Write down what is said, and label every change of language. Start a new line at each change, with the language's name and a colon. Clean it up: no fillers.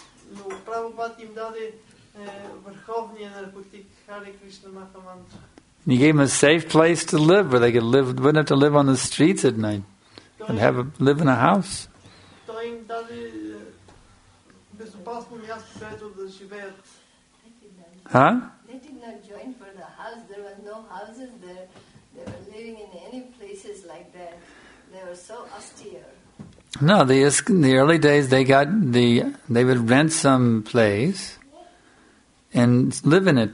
Bulgarian: Но Прабхупад им даде върховния наркотик, Hare Krishna Maha Mantra.
English: He gave them a safe place to live, where they could live, wouldn't have to live on the streets at night, and live in a house.
Bulgarian: Той им даде безопасно място, където да живеят. Huh?
English: They did not join for the house. There were no houses there. They were living in any places like that. They were so austere. No, the early days they would rent some place and live in it.